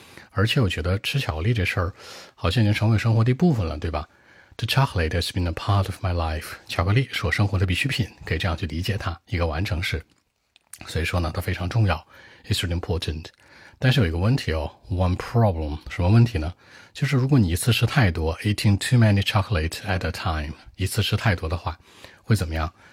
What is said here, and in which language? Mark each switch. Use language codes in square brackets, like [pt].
[zh] 而且我觉得吃巧克力这事儿好像已经成为生活的一部分了，对吧？ [en] The chocolate has been a part of my life. [zh] 巧克力是我生活的必需品，可以这样去理解它，一个完成式。所以说呢，它非常重要， [en] it's really important。 [zh] 但是有一个问题哦， [en] one problem， [zh] 什么问题呢？就是如果你一次吃太多， [en] eating too many chocolate at a time， [zh] 一次吃太多的话会怎么样？